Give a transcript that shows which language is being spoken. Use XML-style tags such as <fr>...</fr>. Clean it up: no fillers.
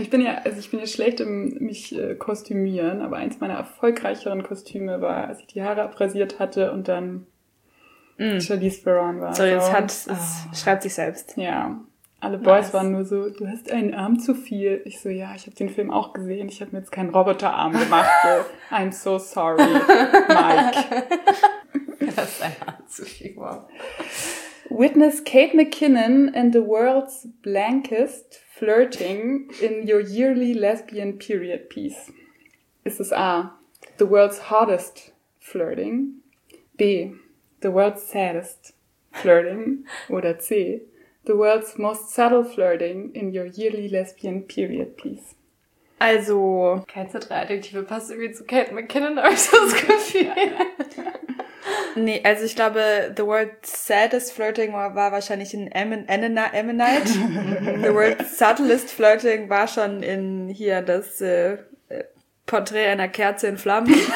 <de>Ich bin ja schlecht im mich kostümieren, aber eins meiner erfolgreicheren Kostüme war, als ich die Haare abrasiert hatte und dann Charlize Theron war. So, jetzt hat es, schreibt sich selbst. Ja. Alle Boys waren nur so, du hast einen Arm zu viel. Ich so, ja, ich habe den Film auch gesehen. Ich habe mir jetzt keinen Roboterarm gemacht.</de> <en>So, I'm so sorry, Mike.</en> <de>Du hast einen Arm zu viel. Wow.</de> <en>Witness Kate McKinnon and the world's blankest flirting in your yearly lesbian period piece.</en> <de>Ist es</de> <en>A, the world's hottest flirting? B, the world's saddest flirting?</en> <de>Oder</de> <en>C, the world's most subtle flirting in your yearly lesbian period piece.</en> <de>Also, keine drei Adjektive passt irgendwie zu Kate McKinnon, habe ich so das Gefühl. Nee, also ich glaube,</de> <en>the world's saddest flirting</en> <de>war wahrscheinlich in Ammonite.</de> <en>The world's subtlest flirting</en> <de>war schon in hier das Porträt einer Kerze in Flammen.</de>